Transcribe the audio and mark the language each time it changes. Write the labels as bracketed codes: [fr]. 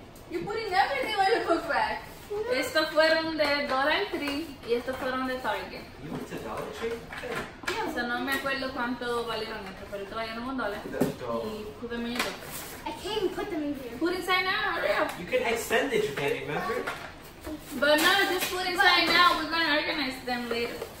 [en] You're putting everything in your book bag. No. [es] Estos fueron de Dollar Tree y estos fueron de Target. [en] You went to Dollar Tree? Yeah, so [es] no me acuerdo cuánto valieron estos, pero todavía no un dollar. [en] That's dope. Y put them in your book. I can't even put them in here. Put inside now, hurry up. You can extend it, Japan, remember? But no, just put inside now. We're gonna organize them later.